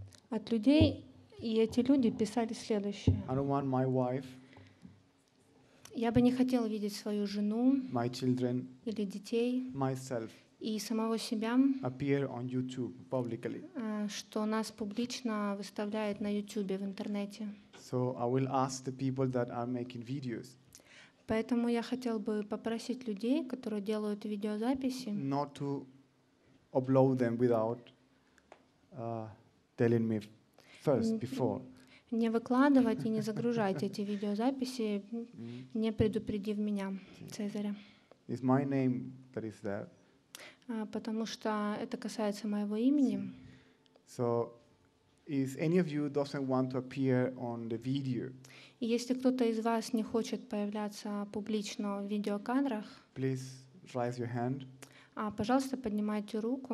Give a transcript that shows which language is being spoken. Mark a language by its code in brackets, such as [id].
[ru] От людей, и эти люди писали следующее. [en] I don't want my wife. [ru] Я бы не хотел видеть свою жену. [en] My children. [ru] Или детей. [en] Myself. [ru] И самого себя. [en] Appear on YouTube publicly. [ru] Что нас публично выставляет на YouTube в интернете. [en] So I will ask the people that are making videos. [ru] Поэтому я хотел бы попросить людей, которые делают видеозаписи, [en] not to upload them without telling me first before. [ru] Не выкладывать и не загружать эти видеозаписи, не предупредив меня, Цезаря. [en] It's my name that is there. [ru] Потому что это касается моего имени. [en] So, is any of you doesn't want to appear on the video? [ru] И если кто-то из вас не хочет появляться публично в видеокадрах, [en] please raise your hand. [ru] Пожалуйста, поднимайте руку.